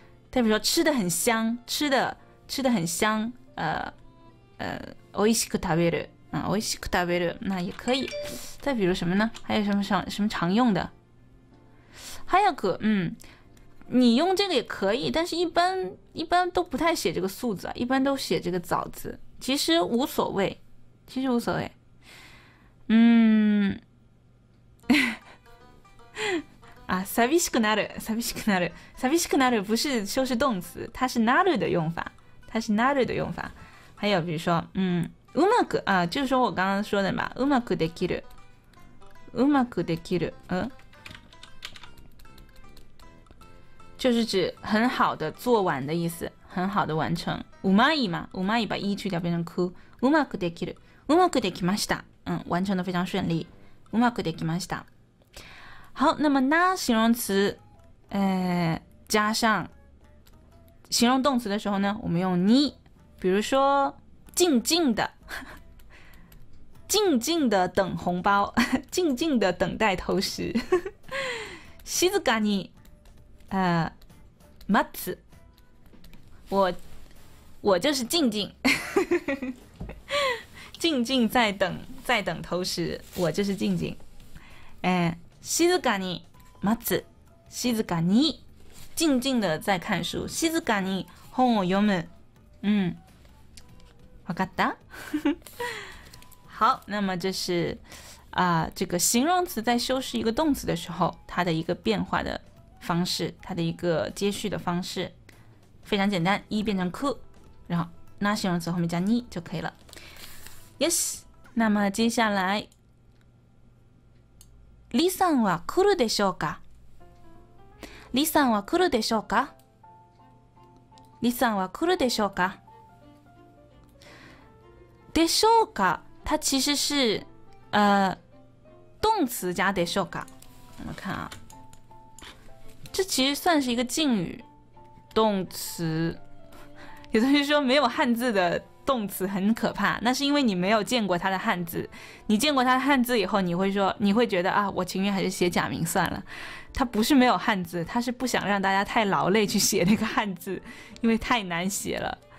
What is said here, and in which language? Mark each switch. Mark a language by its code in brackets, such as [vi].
[zh] 比如说吃的很香，吃的很香， [ja] 美味しく食べる，美味しく食べる， [zh] 那也可以。再比如什么呢？还有什么常用的？早く，你用这个也可以，但是一般都不太写这个速字，一般都写这个早字。其实无所谓。寂しくなる寂しくなる寂しくなる不是修饰动词，它是なる的用法，它是なる的用法。还有比如说うまく就是说我刚刚说的嘛， [ja] うまくできるうまくできる [zh] 就是指很好的做完的意思，很好的完成。 [ja] うまいま、うまい [zh] 把 이 去掉变成 [ja] く。うまくできる、うまくできました。 [zh] 嗯，完成的非常顺利。 [ja] うまくできました。 [zh] 好，那么那形容词，加上形容动词的时候呢，我们用に，比如说静静的，静静的等红包，静静的等待投食。 [ja] 静かに。待つ。 [zh] 我就是静静。静静在等，在等投食。我就是静静。 [ja] 静かに待つ。静かに。 [zh] 静静的在看书。 [ja] 静かに本を読む。嗯。わかった？ [zh] 好，那么这是这个形容词在修饰一个动词的时候，它的一个变化的方式，它的一个接续的方式，非常简单，一变成く，然后那形容词后面加に就可以了。 Yes， 那么接下来， [ja] リさんは来るでしょうか？リさんは来るでしょうか？リさんは来るでしょうか？ [zh] でしょうか？它其实是动词加でしょうか。我们看啊。这其实算是一个敬语动词。有同学说没有汉字的动词很可怕，那是因为你没有见过它的汉字。你见过它的汉字以后，你会觉得啊，我情愿还是写假名算了。它不是没有汉字，它是不想让大家太劳累去写那个汉字，因为太难写了。